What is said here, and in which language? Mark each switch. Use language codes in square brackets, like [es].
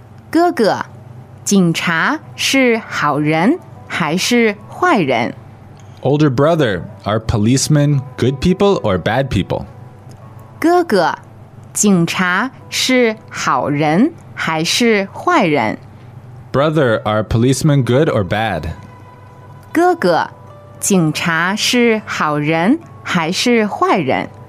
[zh] 哥哥, 警察是好人还是坏人? [en] Older brother, are policemen good people or bad people? [zh] 哥哥, 警察是好人还是坏人? [en] Brother, are policemen good or bad? [zh] 哥哥, 警察是好人还是坏人?